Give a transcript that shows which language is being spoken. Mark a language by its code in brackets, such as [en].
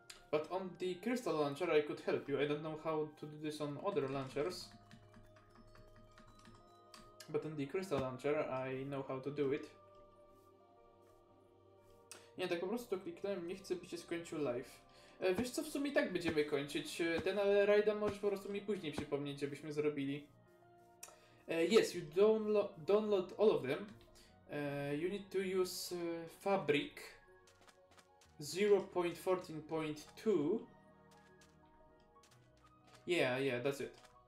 [en] But on the Crystal Launcher I could help you. I don't know how to do this on other launchers. But on the Crystal Launcher I know how to do it. [pl] Nie, tak po prostu kliknąłem, nie chcę by się skończył live. Wiesz co, w sumie tak będziemy kończyć. Ten rajda możesz po prostu mi później przypomnieć, żebyśmy zrobili. [en] Yes, you download all of them. You need to use Fabric 0.14.2. Yeah, that's it.